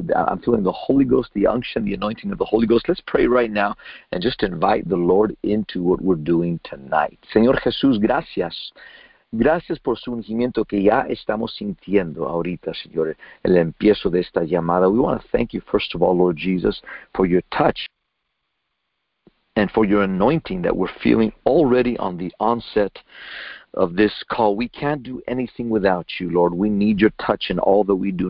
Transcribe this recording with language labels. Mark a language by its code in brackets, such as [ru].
[en] I'm feeling the Holy Ghost, the unction, the anointing of the Holy Ghost. Let's pray right now and just invite the Lord into what we're doing tonight. [es] Señor Jesús, gracias. Gracias por su ungimiento que ya estamos sintiendo ahorita, Señor, el empiezo de esta llamada. [en] We want to thank you, first of all, Lord Jesus, for your touch and for your anointing that we're feeling already on the onset of this call. We can't do anything without you, Lord. We need your touch in all that we do.